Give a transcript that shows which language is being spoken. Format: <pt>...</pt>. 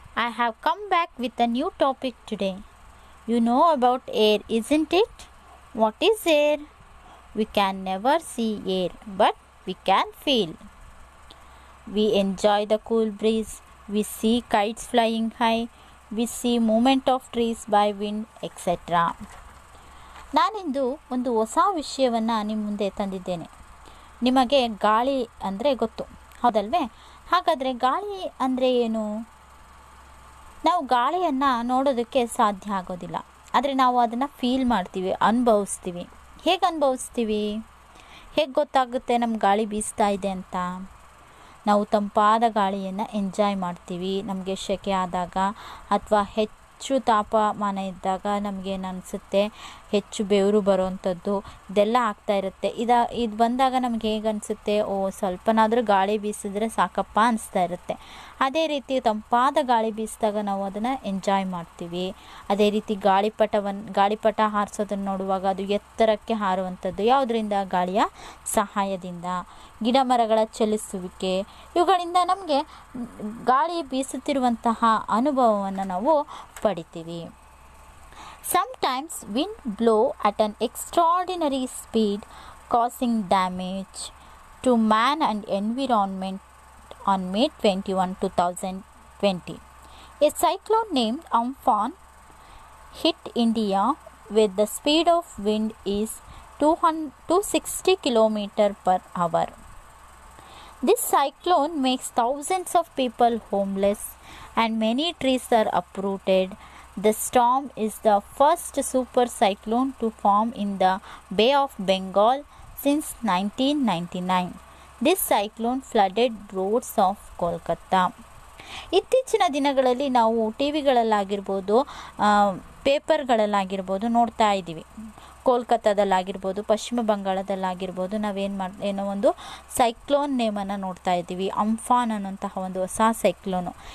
<en>I have come back with a new topic today. You know about air, isn't it? What is air? We can never see air, but we can feel. We enjoy the cool breeze. We see kites flying high. We see movement of trees by wind, etc.</en> <kn>ನಾನಿಂದು ಒಂದು ಹೊಸ ವಿಷಯವನ್ನು ನಿಮ್ಮ ಮುಂದೆ ತಂದಿದ್ದೇನೆ. ನಿಮಗೆ ಗಾಳಿ ಅಂದರೆ ಗೊತ್ತು, ಹೌದಲ್ವೇ? ಹಾಗಾದರೆ ಗಾಳಿ ಅಂದರೆ ಏನು? ನಾವು ಗಾಳಿಯನ್ನು ನೋಡೋದಕ್ಕೆ ಸಾಧ್ಯ ಆಗೋದಿಲ್ಲ, ಆದರೆ ನಾವು ಅದನ್ನು ಫೀಲ್ ಮಾಡ್ತೀವಿ, ಅನುಭವಿಸ್ತೀವಿ. ಹೇಗೆ ಅನುಭವಿಸ್ತೀವಿ? ಹೇಗೆ ಗೊತ್ತಾಗುತ್ತೆ ನಮ್ಮ ಗಾಳಿ ಬೀಸ್ತಾ ಇದೆ ಅಂತ? ನಾವು ತಂಪಾದ ಗಾಳಿಯನ್ನು ಎಂಜಾಯ್ ಮಾಡ್ತೀವಿ. ನಮಗೆ ಶೆಕೆ ಆದಾಗ ಅಥವಾ ಹೆಚ್ಚು ತಾಪಮಾನ ಇದ್ದಾಗ ನಮಗೇನು ಅನಿಸುತ್ತೆ, ಹೆಚ್ಚು ಬೆವರು ಬರೋವಂಥದ್ದು ಇದೆಲ್ಲ ಆಗ್ತಾಯಿರುತ್ತೆ. ಇದು ಬಂದಾಗ ನಮ್ಗೆ ಹೇಗನ್ನಿಸುತ್ತೆ, ಓ ಸ್ವಲ್ಪನಾದರೂ ಗಾಳಿ ಬೀಸಿದ್ರೆ ಸಾಕಪ್ಪ ಅನಿಸ್ತಾ ಇರುತ್ತೆ. ಅದೇ ರೀತಿ ತಂಪಾದ ಗಾಳಿ ಬೀಸಿದಾಗ ನಾವು ಅದನ್ನು ಎಂಜಾಯ್ ಮಾಡ್ತೀವಿ. ಅದೇ ರೀತಿ ಗಾಳಿಪಟ ಹಾರಿಸೋದನ್ನು ನೋಡುವಾಗ ಅದು ಎತ್ತರಕ್ಕೆ ಹಾರುವಂಥದ್ದು ಯಾವುದರಿಂದ? ಗಾಳಿಯ ಸಹಾಯದಿಂದ. ಗಿಡ ಮರಗಳ ಚಲಿಸುವಿಕೆ ಇವುಗಳಿಂದ ನಮಗೆ ಗಾಳಿ ಬೀಸುತ್ತಿರುವಂತಹ ಅನುಭವವನ್ನು ನಾವು ಪಡಿತೀವಿ.</kn> <en>Sometimes wind blow at an extraordinary speed, causing damage to man and environment on May 21, 2020. A cyclone named AMPHAN hit India with the speed of wind is 260 km/h. This cyclone makes thousands of people homeless and many trees are uprooted. The storm is the first super cyclone to form in the Bay of Bengal since 1999. This cyclone flooded roads of Kolkata.</en> <kn>ಇತ್ತೀಚಿನ ದಿನಗಳಲ್ಲಿ ನಾವು T ವಿಗಳಲ್ಲಾಗಿರ್ಬೋದು, ಪೇಪರ್ಗಳಲ್ಲಾಗಿರ್ಬೋದು ನೋಡ್ತಾ ಇದ್ದೀವಿ. ಕೋಲ್ಕತ್ತಾದಲ್ಲಾಗಿರ್ಬೋದು, ಪಶ್ಚಿಮ ಬಂಗಾಳದಲ್ಲಾಗಿರ್ಬೋದು, ನಾವೇನು ಏನೋ ಒಂದು cyclone ನೇಮನ್ನು ನೋಡ್ತಾ ಇದ್ದೀವಿ, ಅಂಫಾನ್ ಅನ್ನೋಂತಹ ಒಂದು ಹೊಸ ಸೈಕ್ಲೋನು.</kn>